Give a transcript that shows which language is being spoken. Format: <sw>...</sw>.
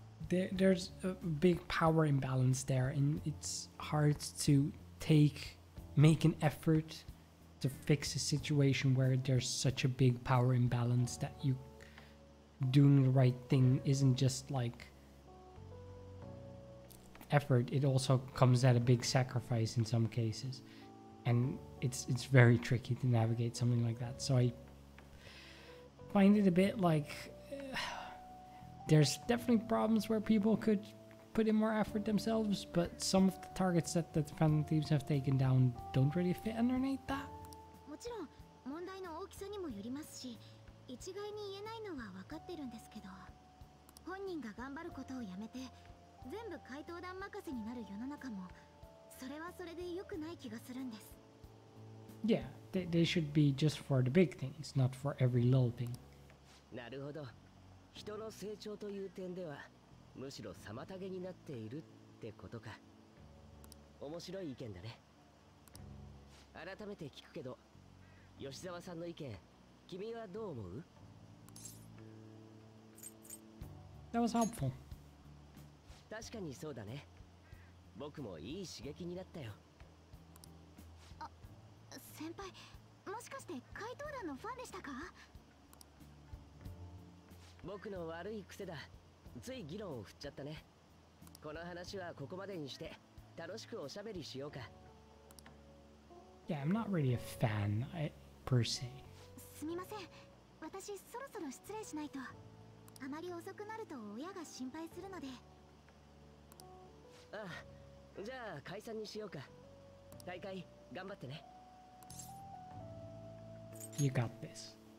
<en>There's a big power imbalance there, and it's hard to make an effort to fix a situation where there's such a big power imbalance that you doing the right thing isn't just like effort, it also comes at a big sacrifice in some cases, and it's very tricky to navigate something like that. So I find it a bit like there's definitely problems where people could put in more effort themselves, but some of the targets that the defending teams have taken down don't really fit underneath that.</en> <ja>もちろん問題の大きさにもよりますし、一概に言えないのは分かってるんですけど、本人が頑張ることをやめて全部怪盗団任せになる世の中もそれはそれで良くない気がするんです。</ja> <en>Yeah, they should be just for the big things, not for every little thing.</en> <ja>なるほど。人の成長という点ではむしろ妨げになっているってことか。面白い意見だね。改めて聞くけど、吉澤さんの意見、君はどう思う？</ja> <en>That was helpful.</en> <ja>確かにそうだね。僕もいい刺激になったよ。あ、先輩、もしかして怪盗団のファンでしたか？僕の悪い癖だ。つい議論を振っちゃったね。この話はここまでにして、楽しくおしゃべりしようか。</ja> <en>Yeah, I'm not really a fan, per se.</en> <ja>すみません。私、そろそろ失礼しないと。あまり遅くなると親が心配するので。ああ、じゃあ解散にしようか。大会、頑張ってね。</ja> <en>You got this.</en>